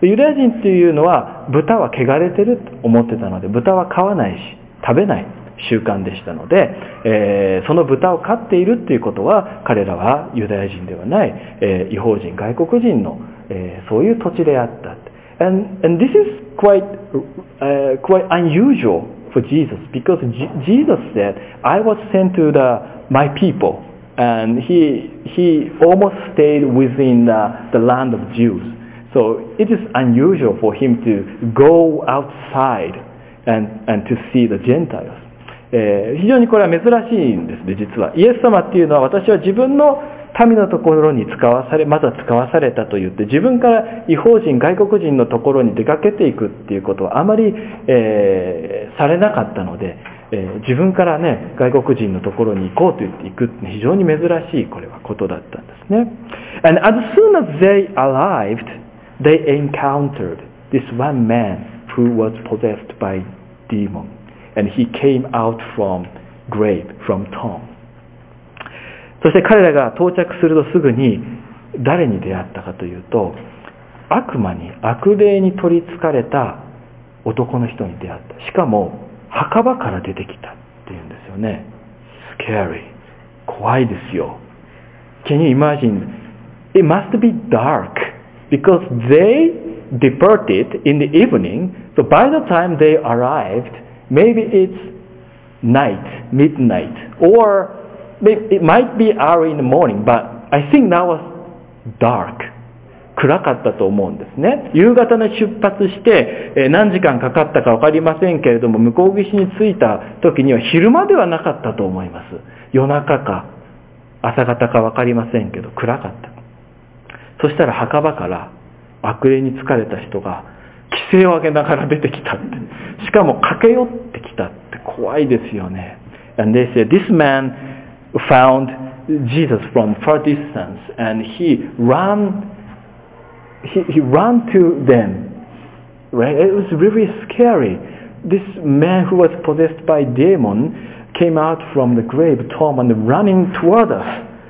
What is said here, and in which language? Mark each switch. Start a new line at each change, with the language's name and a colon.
Japanese: ユダヤ人っていうのは、豚は汚れてると思ってたので、豚は飼わないし、食べない習慣でしたので、その豚を飼っているっていうことは、彼らはユダヤ人ではない、異邦人、外国人の、そういう土地であった。
English: And this is quite unusual. For Jesus, because Jesus said, I was sent to my people, and he almost stayed within the land of Jews. So it is unusual for him to go outside and to see the Gentiles.
Japanese: 非常にこれは珍しいんですね、実は。イエス様っていうのは、私は自分の民のところに使わされ、まだ使わされたと言って、自分から異邦人、外国人のところに出かけていくっていうことはあまり、されなかったので、自分からね、外国人のところに行こうと言って行くって非常に珍しい、これは、ことだったんですね。
English: And as soon as they arrived, they encountered this one man who was possessed by demon. And he came out from grave, from tomb.
Japanese: そして彼らが到着するとすぐに誰に出会ったかというと、悪魔に、悪霊に取り憑かれた男の人に出会った。しかも墓場から出てきたって言うんですよね。
English: Scary.
Japanese: 怖いですよ。
English: Can you imagine? It must be dark because they departed in the evening. So by the time they arrived, maybe it's night, midnight, orIt might be early in the morning, but I think that was dark.
Japanese: 暗かったと思うんですね。夕方に出発して、何時間かかったかわかりませんけれども、向こう岸に着いた時には昼間ではなかったと思います。夜中か朝方かわかりませんけど、暗かった。そしたら墓場から悪霊に疲れた人が奇声を上げながら出てきたって。しかも駆け寄ってきたって怖いですよね。
English: And they said, this man,found Jesus from far distance and he ran to them, right? It was really scary. This man who was possessed by demon came out from the grave, Tom, and running toward us.